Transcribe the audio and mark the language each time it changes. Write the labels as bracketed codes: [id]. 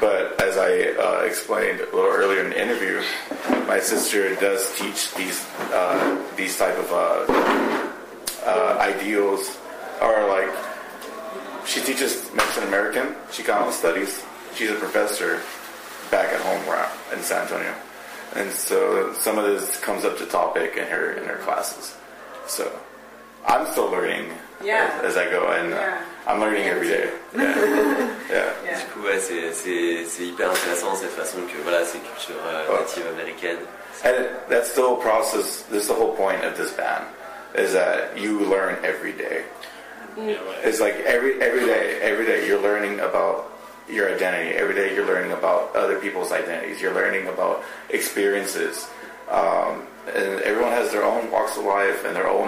[en] But as I explained a little earlier in the interview, my sister does teach these type of ideals, or like she teaches Mexican American Chicano studies. She's a professor back at home in San Antonio, and so some of this comes up to topic in her classes. So I'm still learning as I go, and. I'm learning every day. [fr] Du coup, ouais, c'est hyper intéressant cette façon que voilà, ces cultures natives américaines. [en] And that's the whole process. This is the whole point of this band, is that you learn every day. Yeah. It's like every day you're learning about your identity. Every day you're learning about other people's identities. You're learning about experiences. And everyone has their own walks of life and their own